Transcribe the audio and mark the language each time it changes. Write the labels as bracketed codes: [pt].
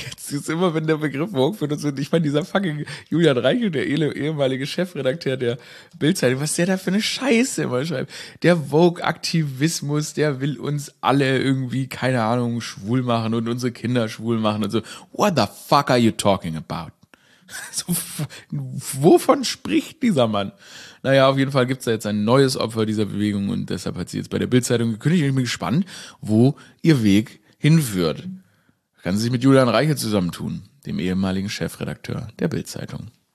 [de] Jetzt immer, wenn der Begriff Vogue für uns wird, ich meine, dieser fucking Julian Reichel, der ehemalige Chefredakteur der Bild-Zeitung, was der da für eine Scheiße immer schreibt. Der Vogue-Aktivismus, der will uns alle irgendwie, keine Ahnung, schwul machen und unsere Kinder schwul machen und so. [en] What the fuck are you talking about? [de] So, wovon spricht dieser Mann? Naja, auf jeden Fall gibt es da jetzt ein neues Opfer dieser Bewegung und deshalb hat sie jetzt bei der Bild-Zeitung gekündigt. Ich bin gespannt, wo ihr Weg hinführt. Kann sie sich mit Julian Reichel zusammentun, dem ehemaligen Chefredakteur der Bild-Zeitung.